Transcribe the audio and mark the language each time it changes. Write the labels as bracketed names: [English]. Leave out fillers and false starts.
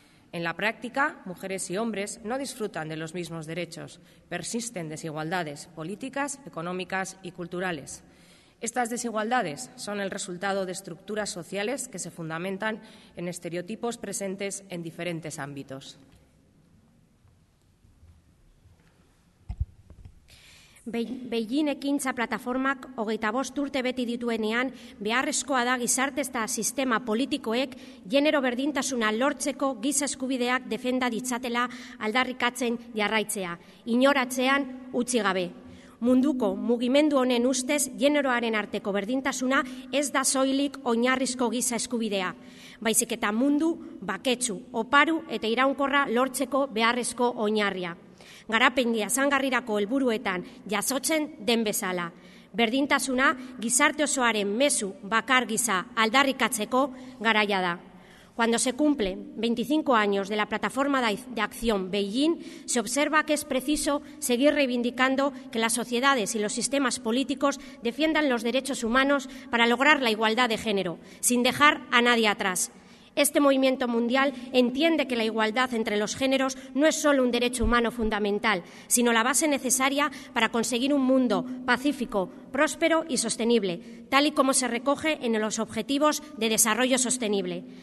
[Spanish] En la práctica, mujeres y hombres no disfrutan de los mismos derechos. Persisten desigualdades políticas, económicas y culturales. Estas desigualdades son el resultado de estructuras sociales que se fundamentan en estereotipos presentes en diferentes ámbitos. [Basque] Beijing ekintza plataformak 25 urte beti dituenean beharrezkoa da gizarte eta sistema politikoek genero berdintasuna lortzeko giza eskubideak defenda ditzatela aldarrikatzen jarraitzea, inoratzean utzi gabe. Munduko mugimendu honen ustez generoaren arteko berdintasuna ez da soilik oinarrizko giza eskubidea, baizik eta mundu baketsu, oparu eta iraunkorra lortzeko beharrezko oinarria. Garapen jasangarrirako helburuetan jasotzen den bezala. Berdintasuna gizarte osoaren mezu bakar gisa aldarrikatzeko garaia da. [Spanish] Cuando se cumplen 25 años de la Plataforma de Acción Beijing, se observa que es preciso seguir reivindicando que las sociedades y los sistemas políticos defiendan los derechos humanos para lograr la igualdad de género, sin dejar a nadie atrás. Este movimiento mundial entiende que la igualdad entre los géneros no es solo un derecho humano fundamental, sino la base necesaria para conseguir un mundo pacífico, próspero y sostenible, tal y como se recoge en los Objetivos de Desarrollo Sostenible.